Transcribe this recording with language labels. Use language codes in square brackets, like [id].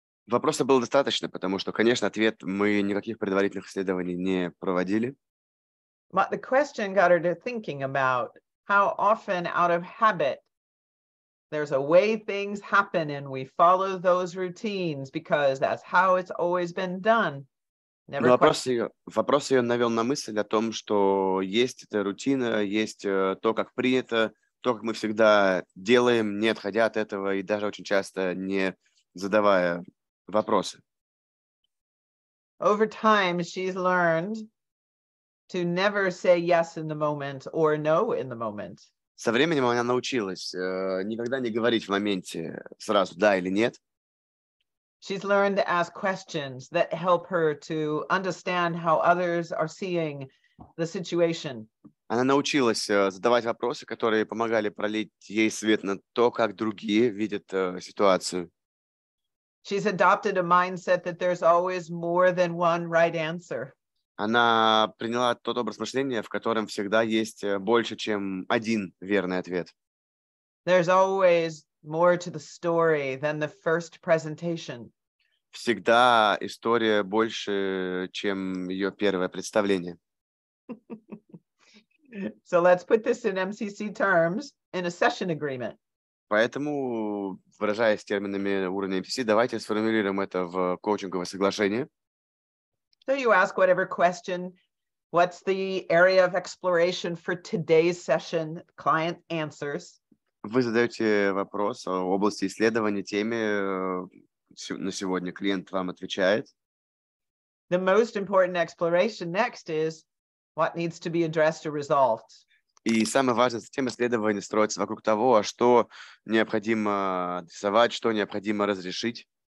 [ru] Вопроса было достаточно, потому что, конечно, ответ мы никаких предварительных исследований не проводили. [en] But the question got her to thinking about how often, out of habit, there's a way things happen, and we follow those routines, because that's how it's always been done. Never [ru] вопрос ее навел на мысль о том, что есть эта рутина, есть то, как принято, то, как мы всегда делаем, не отходя от этого и даже очень часто не задавая вопросы. [en] Over time she's learned to never say yes in the moment or no in the moment. [ru] Со временем она научилась никогда не говорить в моменте сразу да или нет. [en] She's learned to ask questions that help her to understand how others are seeing the situation. [ru] Она научилась задавать вопросы, которые помогали пролить ей свет на то, как другие видят ситуацию. [en] She's adopted a mindset that there's always more than one right answer. [ru] Она приняла тот образ мышления, в котором всегда есть больше, чем один верный ответ. [en] There's always more to the story than the first presentation. [ru] Всегда история больше, чем ее первое представление. [en] So let's put this in MCC terms. in a session agreement. [ru] Поэтому, выражаясь терминами уровня MCC, давайте сформулируем это в коучинговое соглашение. [en] So you ask whatever question, what's the area of exploration for today's session, client answers. [ru] Вы задаете вопрос о области исследования, теме на сегодня, клиент вам отвечает. [en] The most important exploration next is what needs to be addressed or resolved. [ru] И самое важное, затем исследование строится вокруг того, что необходимо адресовать, что необходимо разрешить.